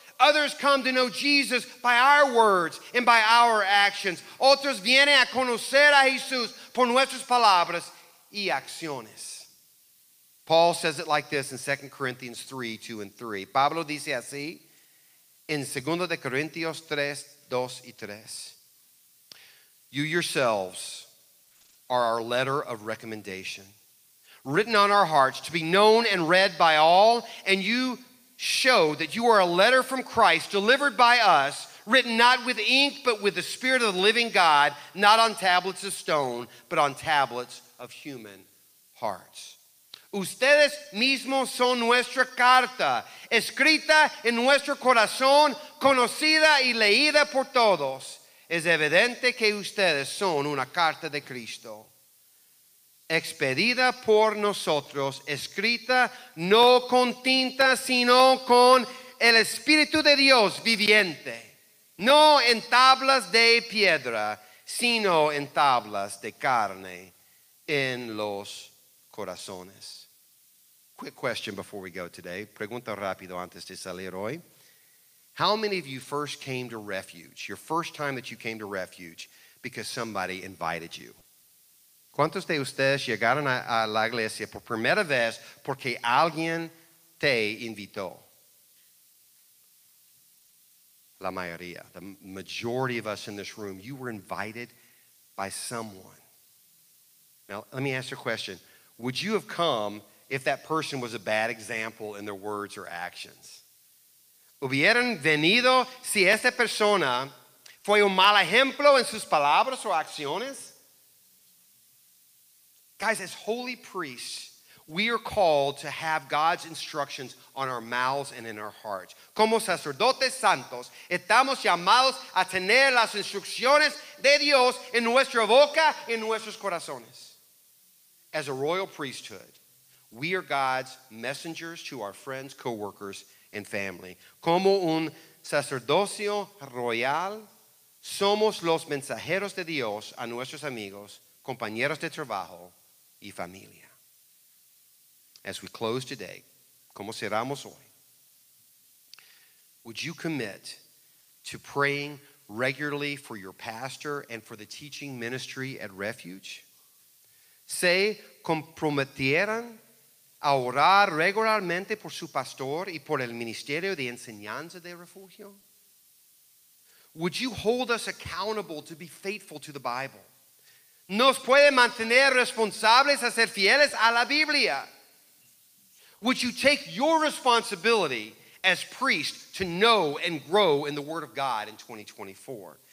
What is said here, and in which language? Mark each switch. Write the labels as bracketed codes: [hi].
[en] Others come to know Jesus by our words and by our actions. [es] Otros vienen a conocer a Jesús por nuestras palabras y acciones. [en] Paul says it like this in 2 Corinthians 3, 2 and 3. [es] Pablo dice así en 2 Corinthians 3, 2 y 3. [en] You yourselves are our letter of recommendation. written on our hearts to be known and read by all, and you show that you are a letter from Christ delivered by us, written not with ink, but with the Spirit of the living God, not on tablets of stone, but on tablets of human hearts. [es] Ustedes mismos son nuestra carta, escrita en nuestro corazón, conocida y leída por todos. Es evidente que ustedes son una carta de Cristo, expedida por nosotros, escrita no con tinta, sino con el Espíritu de Dios viviente. No en tablas de piedra, sino en tablas de carne, en los corazones. [en] Quick question before we go today. [es] Pregunta rápido antes de salir hoy. [en] How many of you first came to Refuge, your first time that you came to Refuge, because somebody invited you? [es] ¿Cuántos de ustedes llegaron a la iglesia por primera vez porque alguien te invitó? La mayoría, [en] the majority of us in this room, you were invited by someone. Now, let me ask you a question. Would you have come if that person was a bad example in their words or actions? [es] ¿Hubieran venido si esa persona fue un mal ejemplo en sus palabras o acciones? [en] Guys, as holy priests, we are called to have God's instructions on our mouths and in our hearts. [es] Como sacerdotes santos, estamos llamados a tener las instrucciones de Dios en nuestra boca y en nuestros corazones. [en] As a royal priesthood, we are God's messengers to our friends, co-workers, and family. [es] Como un sacerdocio royal, somos los mensajeros de Dios a nuestros amigos, compañeros de trabajo, y familia. [en] As we close today, [es] como cerramos hoy, [en] would you commit to praying regularly for your pastor and for the teaching ministry at Refuge? [es] Se comprometieran a orar regularmente por su pastor y por el ministerio de enseñanza de refugio? [en] Would you hold us accountable to be faithful to the Bible? [es] ¿Nos puede mantener responsables a ser fieles a la Biblia? [en] Would you take your responsibility as priest to know and grow in the Word of God in 2024?